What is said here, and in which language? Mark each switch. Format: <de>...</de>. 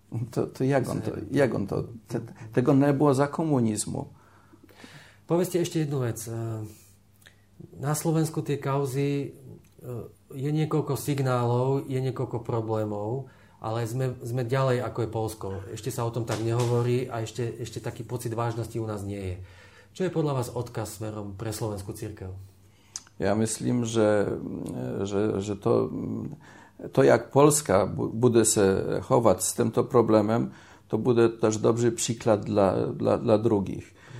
<pl>To jak on to? Tego nie było za komunizmu. Powiedzcie jeszcze jedną rzecz.</pl> <sk>Na Slovensku tie kauzy, je niekoľko signálov, je niekoľko problémov, ale sme ďalej, ako je Polsko. Ešte sa o tom tak nehovorí a ešte taký pocit vážnosti u nás nie je. Čo je podľa vás odkaz smerom pre slovenskú cirkev? Ja myslím, že to</sk> <pl>to jak Polska bude się chować z tymto problemem, to będzie też dobry przykład dla drugich.</pl>